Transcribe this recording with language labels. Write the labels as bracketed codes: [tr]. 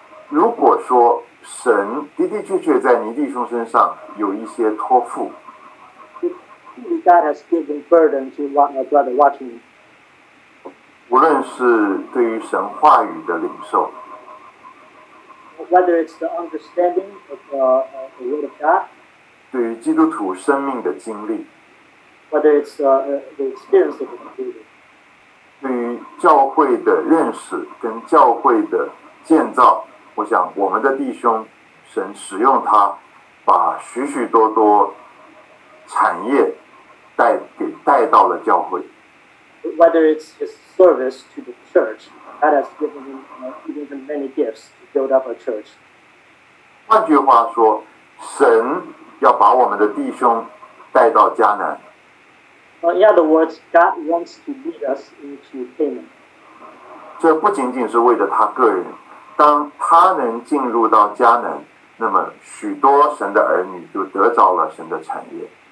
[zh] 如果说神的的确确在尼弟兄身上有一些托付， [en] God has given burden to my brother Watchman. [zh] 无论是对于神话语的领受， [en] whether it's the understanding of the word of God, [zh] 对于基督徒生命的经历， [en] whether it's the experience of the community. [zh] 对于教会的认识跟教会的建造，我想我们的弟兄，神使用他，把许许多多产业带到了教会。 [en] Whether it's his service to the church, that has given him even many gifts to build up a church. [zh] 换句话说，神要把我们的弟兄带到迦南。 [en] In other words, God wants to lead us into Canaan. [zh] 这不仅仅是为了他个人，当他能进入到迦南，那么许多神的儿女就得着了神的产业。